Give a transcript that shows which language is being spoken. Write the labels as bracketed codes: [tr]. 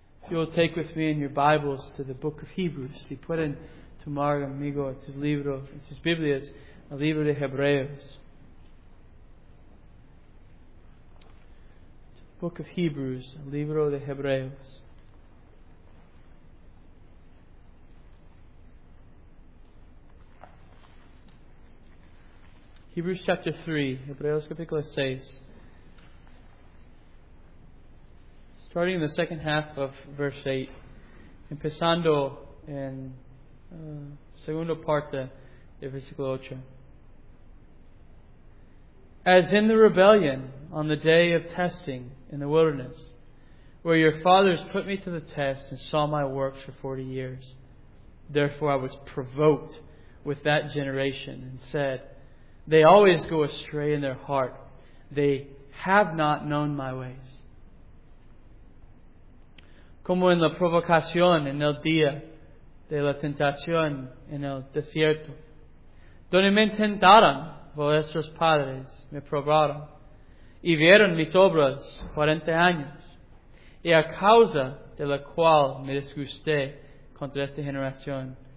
[en] You'll take with me in your Bibles to the book of Hebrews. [es] Si pueden tomar conmigo sus libros, sus Biblias, el libro de Hebreos. [en] Book of Hebrews, [es] libro de Hebreos. [en] Hebrews chapter 3, [es] Hebreos capítulo 6. [en] Starting in the second half of verse 8, [es] empezando en segunda parte de versículo 8. [en] As in the rebellion on the day of testing in the wilderness, where your fathers put me to the test and saw my works for 40 years. Therefore I was provoked with that generation and said, they always go astray in their heart. They have not known my ways. [es] Como en la provocación en el día de la tentación en el desierto, donde me tentaron vuestros padres, me probaron, y vieron mis obras 40 años, y a causa de la cual me disgusté contra esta generación.